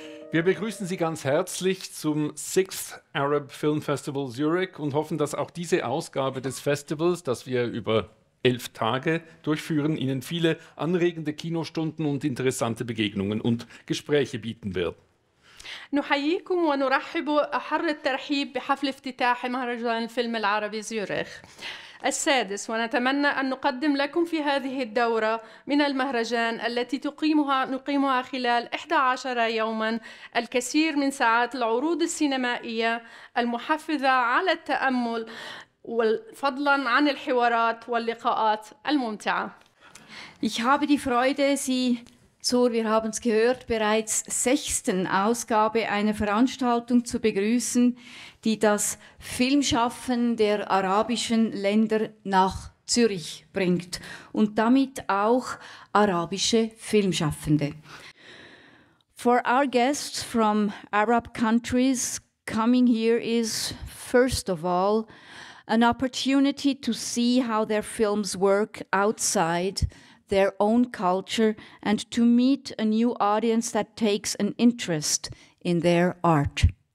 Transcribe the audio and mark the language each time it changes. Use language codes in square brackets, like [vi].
[de] Wir begrüßen Sie ganz herzlich zum 6th Arab Film Festival Zurich und hoffen, dass auch diese Ausgabe des Festivals, das wir über 11 Tage durchführen, Ihnen viele anregende Kinostunden und interessante Begegnungen und Gespräche bieten wird. [ar] نحييكم ونرحب أحر الترحيب بحفل افتتاح مهرجان الفيلم العربي زيوريخ السادس ونتمنى أن نقدم لكم في هذه الدورة من المهرجان التي نقيمها خلال 11 يوما الكثير من ساعات العروض السينمائية المحفزة على التأمل وفضلا عن الحوارات واللقاءات الممتعة. [de] Ich habe die Freude, Sie zur, wir haben es gehört, bereits 6. Ausgabe einer Veranstaltung zu begrüßen, die das Filmschaffen der arabischen Länder nach Zürich bringt und damit auch arabische Filmschaffende. [en] For our guests from Arab countries, coming here is, first of all, an opportunity to see how their films work outside their own culture and to meet a new audience that takes an interest in their art.